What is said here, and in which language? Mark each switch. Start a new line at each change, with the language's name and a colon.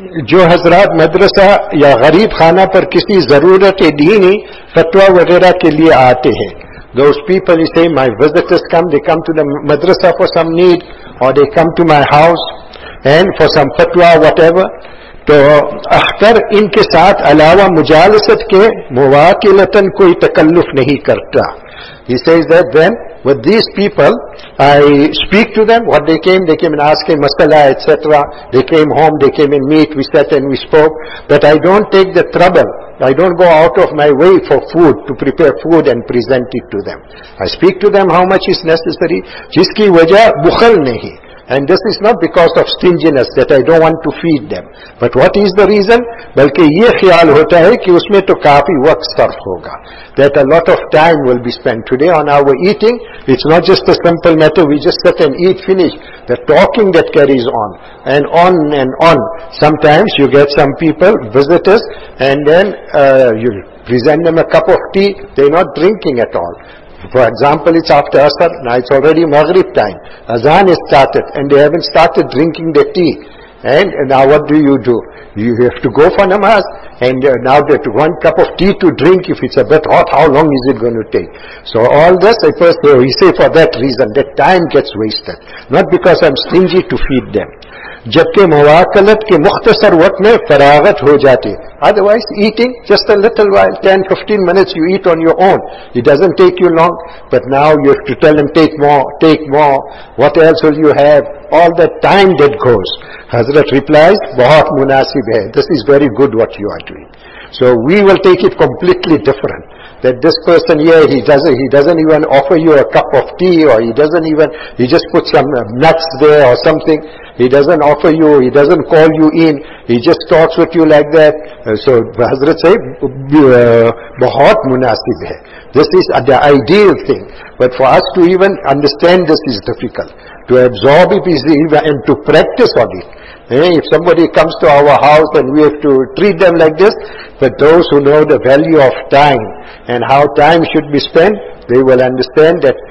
Urdu: جو حضرات مدرسہ یا غریب خانہ پر کسی ضرورت دینی فتوہ وغیرہ کے لیے آتے ہیں.
English: Those people, you say, my visitors come, they come to the madrasa for some need, or they come to my house, and for some fatwa, whatever.
Urdu: تو اختر ان کے ساتھ علاوہ مجالست کے مواقلتن کوئی تکلف نہیں کرتا.
English: He says that then, with these people, I speak to them, what they came and asked him, masala, etc. They came home, they came and meet, we sat and we spoke. But I don't take the trouble. I don't go out of my way for food, to prepare food and present it to them. I speak to them how much is necessary.
Urdu: جس کی وجہ بخل نہیں.
English: And this is not because of stinginess that I don't want to feed them. But what is the reason?
Urdu: بلکہ یہ خیال ہوتا ہے کہ اس میں تو کافی وقت صرف ہوگا.
English: That a lot of time will be spent today on our eating. It's not just a simple matter. We just sit and eat, finish. The talking that carries on. And on and on. Sometimes you get some people, visitors, and then you present them a cup of tea. They're not drinking at all. For example, it's after Asr, now it's already Maghrib time. Azan has started and they haven't started drinking the tea. And now what do? You have to go for namaz. And now that one cup of tea to drink, if it's a bit hot, how long is it going to take? So all this, I first we say for that reason, that time gets wasted. Not because I'm stingy to feed them.
Urdu: جبکہ مواقلت کے مختصر وقت میں فراغت ہو جاتے.
English: Otherwise eating just a little while, 10-15 minutes you eat on your own. It doesn't take you long, but now you have to tell them take more, what else will you have? All that time that goes. Hazrat replies,
Urdu: بہت مناسب ہے.
English: This is very good what you are doing. So we will take it completely different. That this person here, he doesn't even offer you a cup of tea, or he just puts some nuts there or something. He doesn't offer you, he doesn't call you in, he just talks with you like that. So Hazrat say,
Urdu: بہت مناسب ہے.
English: This is the ideal thing. But for us to even understand this is difficult. To absorb it is even, and to practice on it. If somebody comes to our house and we have to treat them like this, but those who know the value of time and how time should be spent, they will understand that